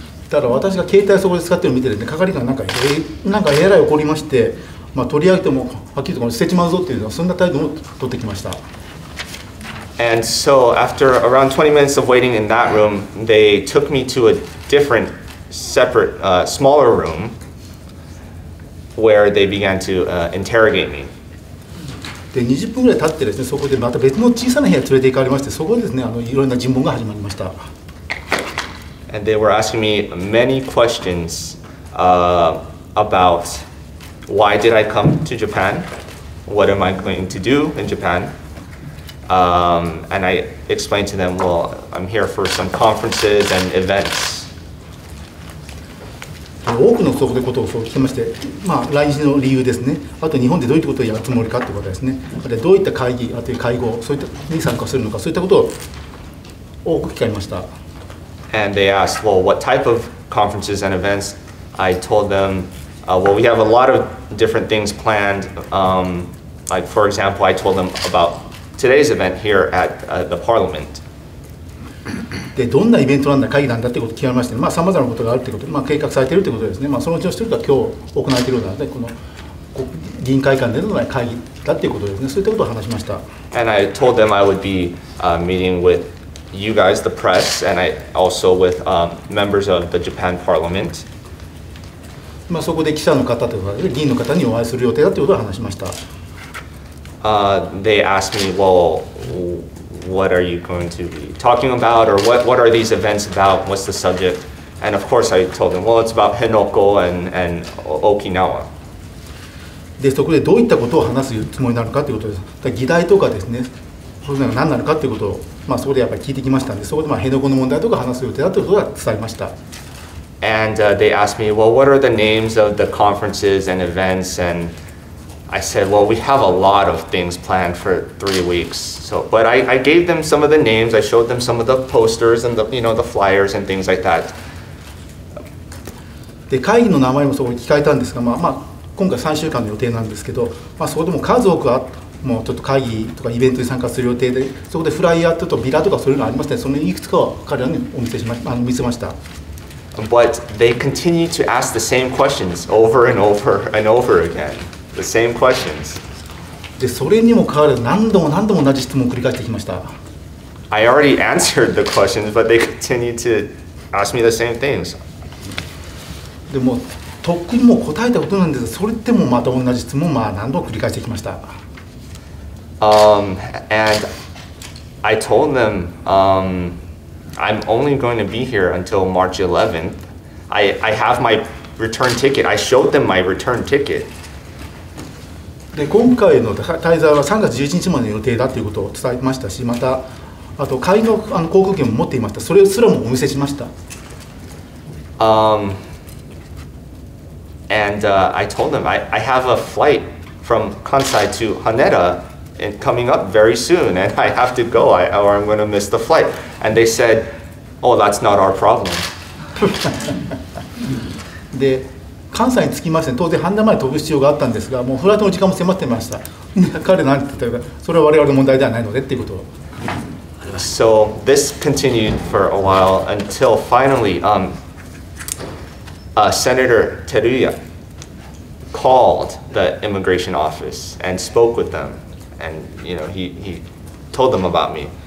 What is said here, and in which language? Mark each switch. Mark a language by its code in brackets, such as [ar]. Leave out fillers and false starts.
[ja] ただ私が携帯をそこで使っているのを見てですね、係官なんかなんかえらい怒りまして、まあ、取り上げてもはっきりと捨てちまうぞっていうのそんな態度を取ってきました。 [en] And so after around 20 minutes of waiting in that room, they took me to a different, separate, smaller room where they began to interrogate me. [ja] で20分ぐらい経ってですね、そこでまた別の小さな部屋連れて行かれまして、そこでですね、いろんな尋問が始まりました。 [en] And they were asking me many questions about why did I come to Japan? What am I going to do in Japan? And I explained to them, well, I'm here for some conferences and events. [ja] 多くのそこでことを聞きまして、まあ、来日の理由ですね。あと日本でどういったことをやるつもりかということですね。あとどういった会議、あと会合、そういったに参加するのか、そういったことを多く聞かれました。 [en] And they asked, well, what type of conferences and events? I told them, well, we have a lot of different things planned. Like, for example, I told them about today's event here at the parliament. [ja] で、どんなイベントなんだ、会議なんだってことを聞かれまして、まあ、さまざまなことがあるってこと、まあ、計画されているってことですね。まあ、そのうちの一人が今日行われているので、この議員会館での会議だっていうことですね。そういったことを話しました。 [en] And I told them I would be meeting withYou guys, the press, and I also with members of the Japan Parliament. [ja] まあそこで記者の方とか議員の方にお会いする予定だということを話しました。 [en] They asked me, well, what are you going to be talking about, or what are these events about? What's the subject? And of course, I told them, well, it's about Henoko and Okinawa. [ja] で、そこでどういったことを話すつもりになるかということです。だ議題とかですね、そういうのが何なのかということを、まあ、そこでやっぱり聞いてきましたので、そこでまあ辺野古の問題とか話す予定だということは伝えました。 [en] And、they asked me, well, what are the names of the conferences and events? And I said, well, we have a lot of things planned for 3 weeks. So, but I gave them some of the names. I showed them some of the posters and the, you know, the flyers and things like that. [ja] で、会議の名前もそこに聞かれたんですが、まあまあ、今回3週間の予定なんですけど、まあ、そこでも数多くはもうちょっと会議とかイベントに参加する予定で、そこでフライヤーとビラとかそういうのありますね。そのいくつかは彼らにお見せしました、見せました。 [en] But they continue to ask the same questions over and over and over again. The same questions. [ja] で、それにもかかわらず何度も何度も同じ質問を繰り返してきました。 [en] I already answered the questions, but they continue to ask me the same things. [ja] でも、とっくにもう答えたことなんですが、それってもまた同じ質問をまあ何度も繰り返してきました。 [en] And I told them, I'm only going to be here until March 11th. I have my return ticket. I showed them my return ticket. [ja] で、今回の滞在は3月11日までの予定だということを伝えましたし、また、あと会議 の航空券も持っていました。それすらもお見せしました。 [en] I told them, I have a flight from Kansai to Haneda. And coming up very soon, and I have to go, or I'm going to miss the flight. And they said, "Oh, that's not our problem." [ja] で、関西に着きました。当然、半田まで飛ぶ必要があったんですが、もうフライトの時間も迫ってました。彼なんて言ったら、それは我々の問題ではないのでっていうことを。 [en] So this continued for a while until finally, Senator Teruya called the immigration office and spoke with them. And you know, he told them about me.